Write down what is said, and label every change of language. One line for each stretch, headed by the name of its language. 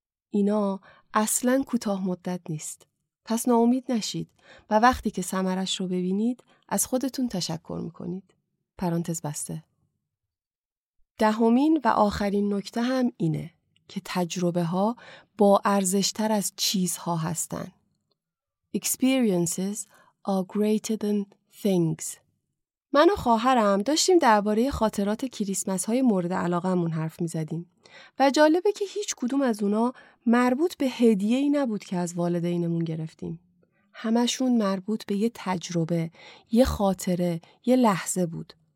Persian: اینا اصلا کوتاه مدت نیست. پس ناامید نشید و وقتی که ثمرش رو ببینید از خودتون تشکر میکنید. پرانتز بسته. دهمین و آخرین نکته هم اینه که تجربه ها با ارزشتر از چیزها هستن.
English: Experiences are greater than things.
Persian: من و خواهرم داشتیم درباره خاطرات کریسمس های مورد علاقه‌مون حرف می‌زدیم و جالبه که هیچ کدوم از اونا مربوط به هدیه‌ای نبود که از والدینمون گرفتیم. همشون مربوط به یه تجربه، یه خاطره، یه لحظه بود.